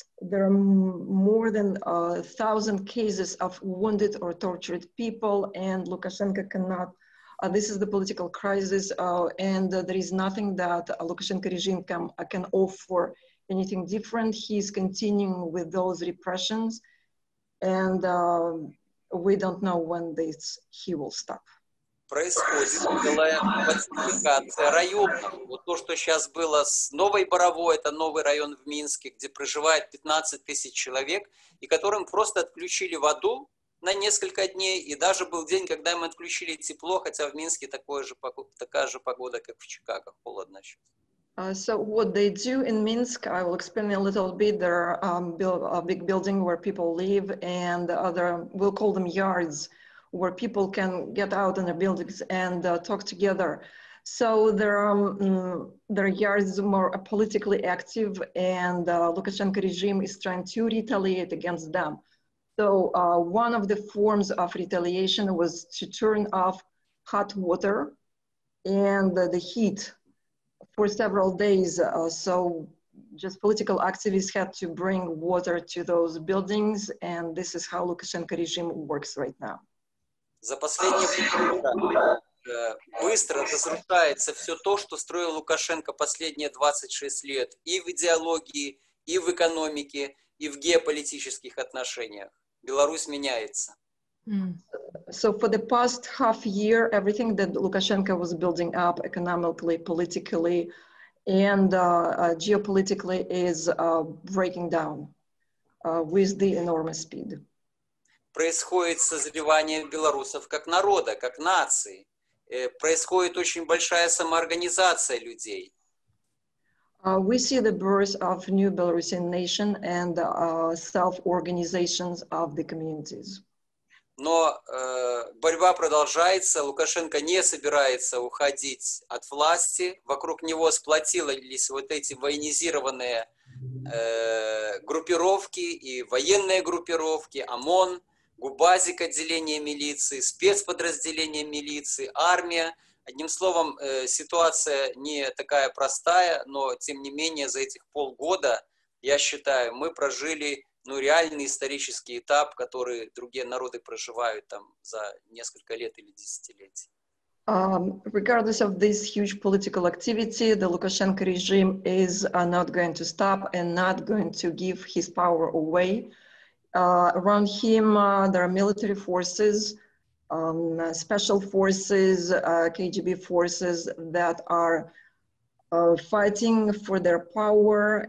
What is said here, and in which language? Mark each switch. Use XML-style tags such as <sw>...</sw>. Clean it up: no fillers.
<en>There are more than 1,000 cases of wounded or tortured people, and Lukashenko cannot. This is the political crisis, and there is nothing that Lukashenko regime can offer anything different. He is continuing with those repressions, and we don't know when he will stop.</en> <ru>Происходит целая фальсификация районов. Вот то, что сейчас было с Новой Боровой, это новый район в Минске, где проживает 15 тысяч человек, и которым просто отключили воду на несколько дней, и даже был день, когда им отключили тепло, хотя в Минске такая же погода, как в Чикаго, холодно еще.</ru> <en>So what they do in Minsk, I will explain a little bit. There are a big building where people live, and other, we'll call them yards, where people can get out in their buildings and talk together. So their yards are more politically active, and the Lukashenko regime is trying to retaliate against them. So one of the forms of retaliation was to turn off hot water and the heat for several days. So just political activists had to bring water to those buildings, and this is how Lukashenko regime works right now.</en> <ru>За последние полгода быстро разрушается все то, что строил Лукашенко последние 26 лет и в идеологии, и в экономике, и в геополитических отношениях. Беларусь меняется.</ru> <en>So for the past half year, everything that Lukashenko was building up economically, politically, and geopolitically is breaking down with the enormous speed.</en> <ru>Происходит созревание белорусов как народа, как нации. Происходит очень большая самоорганизация людей.</ru> <en>We see the birth of new Belarusian nation and self-organizations of the communities.</en> <ru>Но борьба продолжается, Лукашенко не собирается уходить от власти, вокруг него сплотились вот эти военизированные группировки и военные группировки, ОМОН, Губазик, отделение милиции, спецподразделение милиции, армия. Одним словом, ситуация не такая простая, но тем не менее за этих полгода, я считаю, мы прожили ну, реальный исторический этап, который другие народы проживают там за несколько лет или десятилетий.</ru> <en>Regardless of this huge political activity, the Lukashenko regime is not going to stop and not going to give his power away. Around him, there are military forces, special forces, KGB forces that are fighting for their power.</en>